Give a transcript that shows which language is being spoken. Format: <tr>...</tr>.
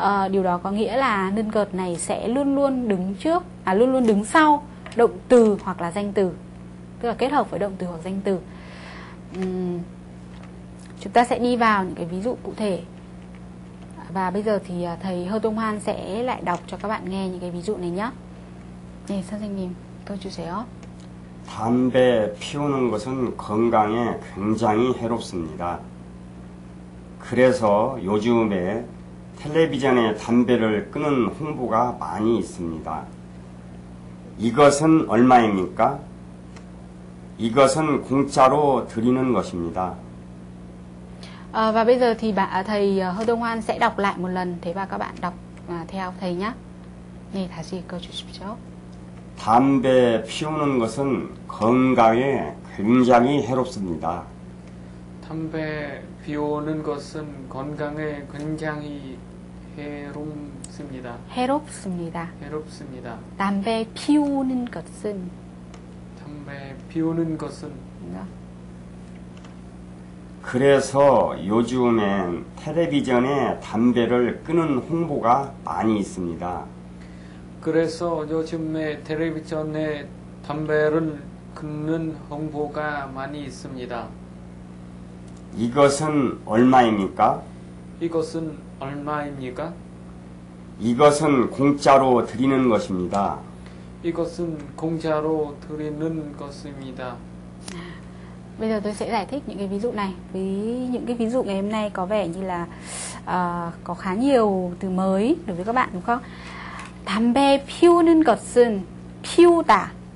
<vi>Điều đó có nghĩa là nên cợt này sẽ luôn luôn đứng trước, luôn luôn đứng sau động từ hoặc là danh từ, tức là kết hợp với động từ hoặc danh từ. Chúng ta sẽ đi vào những cái ví dụ cụ thể, và bây giờ thì thầy Hơ Tông Hoan sẽ lại đọc cho các bạn nghe những cái ví dụ này nhé. Nè, sao xin nhìn tôi chia sẻ.</vi> <ko>담배 피우는 것은 건강에 굉장히 해롭습니다. 그래서 요즘에 텔레비전에 담배를 끊는 홍보가 많이 있습니다. 이것은 얼마입니까? 이것은 공짜로 드리는 것입니다.</ko> <vi>Và bây giờ thì thầy Hơ Đông Hoan sẽ đọc lại một lần, thế và các bạn đọc theo thầy nhé.</vi> <ko>네, 다시 읽어 주십시오. 담배 피우는 것은 건강에 굉장히 해롭습니다. 담배 피우는 것은 건강에 굉장히 해롭습니다. 해롭습니다. 해롭습니다. 담배 피우는 것은 담배 피우는 것은 그래서 요즘엔 텔레비전에 담배를 끊는 홍보가 많이 있습니다. 그래서 요즘에 텔레비전에 담배를 끊는 홍보가 많이 있습니다. 이것은 얼마입니까? 이것은 얼마입니까? 이것은 공짜로 드리는 것입니다. 이것은 공짜로 드리는 것입니다.</ko> <vi>Bây giờ tôi sẽ giải thích những cái ví dụ này. Với những cái ví dụ ngày hôm nay có vẻ như là có khá nhiều từ mới đối với các bạn đúng không?</vi> <ko>담배 피우는 것은 피우다.</ko>